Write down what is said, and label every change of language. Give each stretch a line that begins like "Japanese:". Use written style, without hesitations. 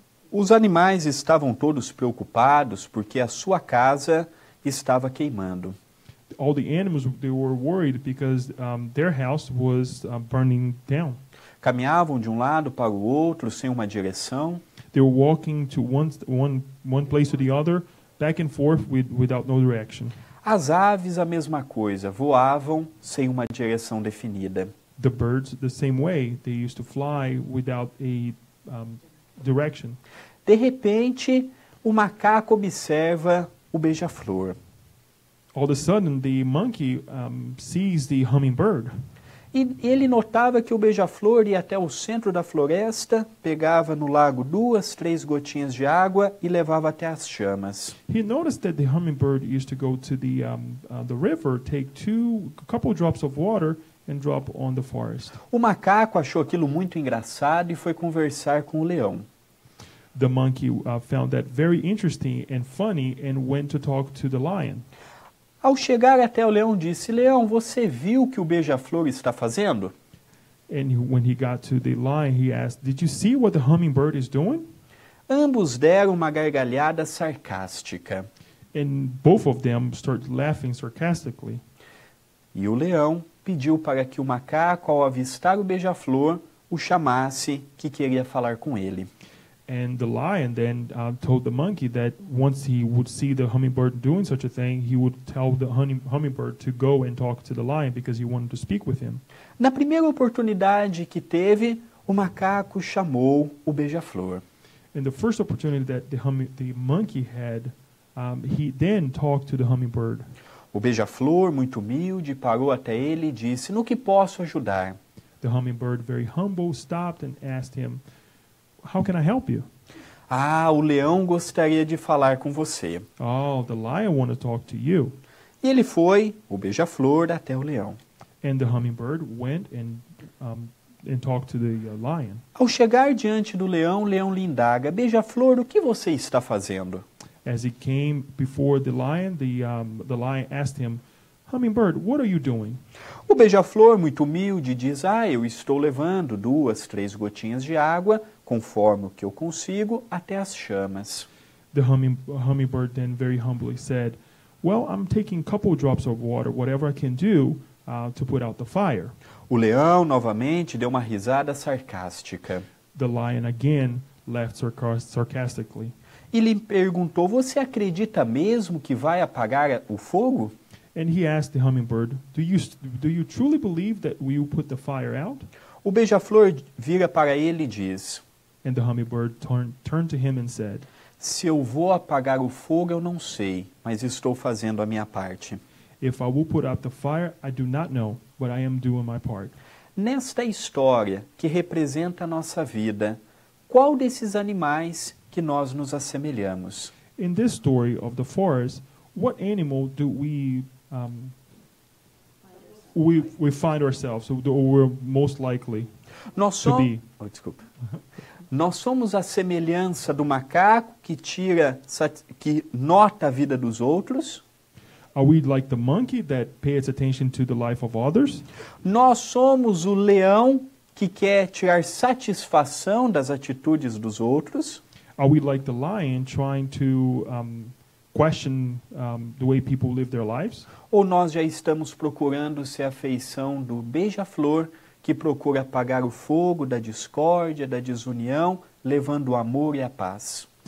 Portuguese: Os animais estavam todos preocupados porque a sua casa estava queimando.
English: All the animals, they were worried because their house was burning down.
Portuguese: Caminhavam de um lado para o outro sem uma direção.
English: They were walking to one place to the other, back and forth without no direction.
Portuguese: As aves, a mesma coisa, voavam sem uma direção definida.
English: The birds, the same way, they used to fly without a direction.
Portuguese: De repente, o macaco observa o beija-flor.
English: All of a sudden, the monkey sees the hummingbird.
Portuguese: E ele notava que o beija-flor ia até o centro da floresta, pegava no lago duas, três gotinhas de água e levava até as chamas.
English: He noticed that the hummingbird used to go to the river, take a couple drops of water and drop on the forest.
Portuguese: O macaco achou aquilo muito engraçado e foi conversar com o leão.
English: The monkey found that very interesting and funny and went to talk to the lion.
Portuguese: Ao chegar até o leão, disse: Leão, você viu o que o beija-flor está fazendo?
English: And when he got to the lion, he asked, did you see what the hummingbird is doing?
Portuguese: Ambos deram uma gargalhada sarcástica.
English: And both of them started laughing sarcastically.
Portuguese: E o leão pediu para que o macaco, ao avistar o beija-flor, o chamasse, que queria falar com ele.
English: And the lion then told the monkey that once he would see the hummingbird doing such a thing, he would tell the hummingbird to go and talk to the lion because he wanted to speak with him.
Portuguese: Na primeira oportunidade que teve, o macaco chamou o beija-flor.
English: In the first opportunity that the monkey had, he then talked to the hummingbird.
Portuguese: O beija-flor, muito humilde, parou até ele e disse: "No que posso ajudar?"
English: The hummingbird, very humble, stopped and asked him, "How can I help you?"
Portuguese: Ah, o leão gostaria de falar com você.
English: Oh, the lion wants to talk to you.
Portuguese: E ele foi, o beija-flor, até o leão.
English: And the hummingbird went and talked to the lion.
Portuguese: Ao chegar diante do leão, o leão lhe indaga: "Beija-flor, o que você está fazendo?"
English: As he came before the lion, the lion asked him, "Hummingbird, what are you doing?"
Portuguese: O beija-flor, muito humilde, diz: "Ah, eu estou levando 2-3 gotinhas de água, conforme o que eu consigo, até as chamas."
English: The hummingbird then very humbly said, "Well, I'm taking a couple drops of water, whatever I can do, to put out the fire."
Portuguese: O leão novamente deu uma risada sarcástica.
English: The lion again laughed sarcastically.
Portuguese: E lhe perguntou: "Você acredita mesmo que vai apagar o fogo?"
English: And he asked the hummingbird, do you truly believe that we will put the fire out?"
Portuguese: O beija-flor vira para ele e diz:
English: And the hummingbird turned to him and said,
Portuguese: "Se eu vou apagar o fogo, eu não sei, mas estou fazendo a minha parte."
English: If I will put out the fire, I do not know, but I am doing my part.
Portuguese: Nesta história que representa a nossa vida, qual desses animais que nós nos assemelhamos?
English: In this story of the forest, what animal do we find ourselves, or we're most likely to be?
Portuguese: Oh, desculpa. Nós somos a semelhança do macaco que nota a vida dos outros.
English: Are we like the monkey that pays attention to the life of others?
Portuguese: Nós somos o leão que quer tirar satisfação das atitudes dos outros.
English: Are we like the lion trying to question the way people live their lives?
Portuguese: Ou nós já estamos procurando ser a afeição do beija-flor, que procura apagar o fogo da discórdia, da desunião, levando o amor e a paz?